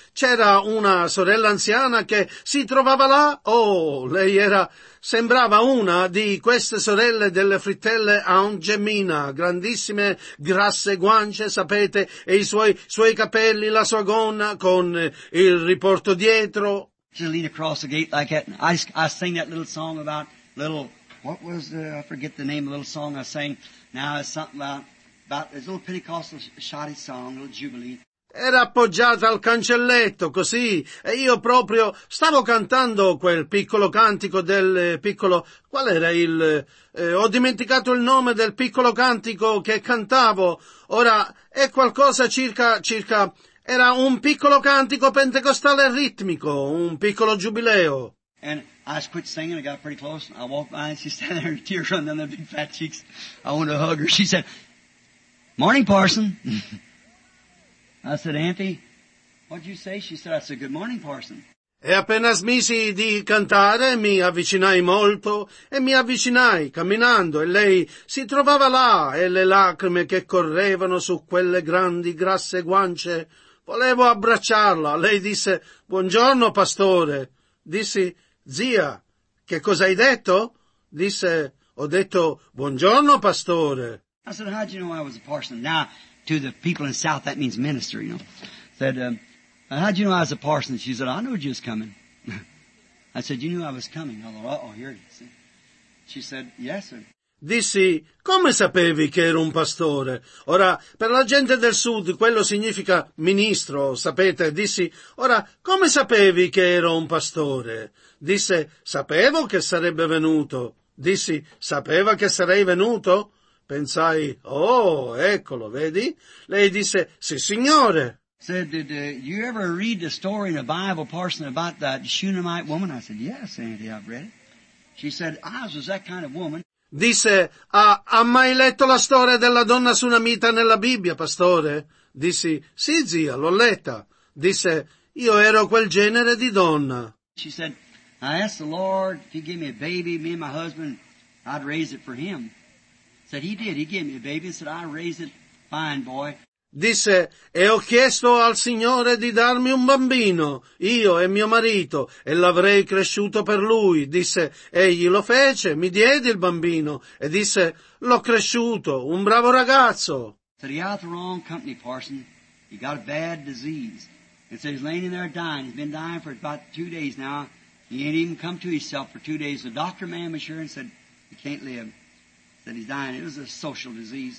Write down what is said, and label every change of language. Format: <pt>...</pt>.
<it>C'era una sorella anziana che si trovava là. Oh, lei era, sembrava una di queste sorelle delle frittelle Aunt Jemima, grandissime, grasse guance, sapete, e i suoi capelli, la sua gonna con il riporto dietro.</it> <en>She leaned across the gate like that. I sing that little song about little. What was the, I forget the name of the little song I sang. Now it's something about this little Pentecostal shoddy song, little jubilee.</en> <it>Era appoggiata al cancelletto, così, e io proprio stavo cantando quel piccolo cantico del piccolo, qual era il, ho dimenticato il nome del piccolo cantico che cantavo. Ora, è qualcosa circa, era un piccolo cantico pentecostale ritmico, un piccolo giubileo.</it> <en>And I just quit singing. I got pretty close. I walked by and she's standing there, tears running down her big fat cheeks. I wanted to hug her. She said, "Morning, Parson." I said, "Auntie, what'd you say?" She said, I said, "Good morning, Parson."</en> <it>E appena smisi di cantare, mi avvicinai molto e mi avvicinai camminando e lei si trovava là e le lacrime che correvano su quelle grandi grasse guance, volevo abbracciarla. Lei disse, "Buongiorno, pastore." Dissi, "Zia, che cosa hai detto?" Disse, "Ho detto, buongiorno, pastore."</it> <en>I said, "How did you know I was a parson?" Now, to the people in the South, that means minister, you know. Said, "How'd you know I was a parson?" She said, "I knew you was coming." I said, "You knew I was coming." I thought, uh-oh, here it is. She said, "Yes, sir."</en> <it>Dissi, "Come sapevi che ero un pastore?" Ora, per la gente del sud, quello significa ministro, sapete? Dissi, "Ora, come sapevi che ero un pastore?" Disse, "Sapevo che sarebbe venuto." Dissi, "Sapeva che sarei venuto?" Pensai, "Oh, eccolo, vedi?" Lei disse, "Sì, signore."</it> <en>Said, "Did you ever read the story in the Bible, Parson, about that Shunammite woman?" I said, "Yes, Auntie, I've read it." She said, "Ours was that kind of woman."</en> <it>Disse, "Ha mai letto la storia della donna sunamita nella Bibbia, pastore?" Dissi, "Sì, zia, l'ho letta." Disse, "Io ero quel genere di donna."</it> <en>She said, "I asked the Lord if he gave me a baby, me and my husband, I'd raise it for him." Said, "He did, he gave me a baby, and said, I raised it, fine boy."</en> <it>Disse, "E ho chiesto al Signore di darmi un bambino, io e mio marito, e l'avrei cresciuto per lui." Disse, "Egli lo fece, mi diede il bambino, e disse, l'ho cresciuto, un bravo ragazzo."</it> <en>Said, "He had the wrong company, Parson. He got a bad disease. And so he's laying in there dying. He's been dying for about 2 days now. He ain't even come to himself for 2 days. The doctor man was sure and said, he can't live. Said, he's dying. It was a social disease."</en>